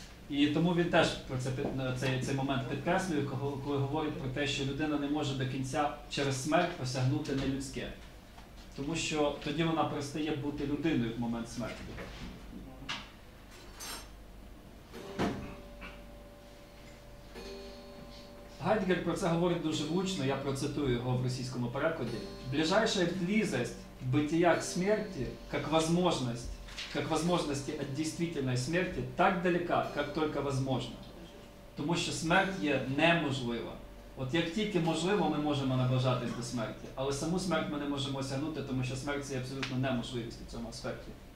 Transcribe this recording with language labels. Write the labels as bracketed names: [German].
[Ukrainian] І тому він теж про це цей момент підкреслює, коли говорить про те, що людина не може до кінця через смерть посягнути нелюдське. Тому що тоді вона перестає бути людиною в момент смерті. Гайдеггер про це говорить дуже влучно, я процитую його в російському перекладі. [Russian] Ближайшая близость бытия к смерти, как возможности от действительной смерти, так далека, как только возможно. [Ukrainian] Тому що смерть є неможлива. От як тільки можливо, ми можемо наближатись до смерті, але саму смерть ми не можемо осягнути, тому що смерть це є абсолютно неможливість в цьому аспекті.